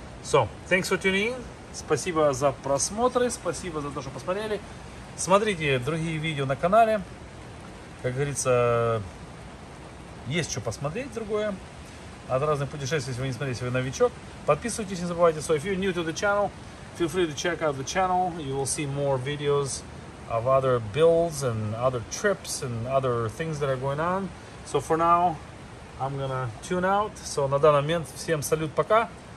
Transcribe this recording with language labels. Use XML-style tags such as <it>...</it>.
<en>So thanks for tuning in.</en> <ru>Спасибо за просмотры, спасибо за то, что посмотрели. Смотрите другие видео на канале, как говорится, есть что посмотреть другое от разных путешествий. Если вы не смотрите, если вы новичок, подписывайтесь, не забывайте.</ru> <en>So if you're new to the channel, feel free to check out the channel. You will see more videos of other builds and other trips and other things that are going on. So for now, I'm gonna tune out.</en> <ru>So на данный момент всем салют, пока.</ru>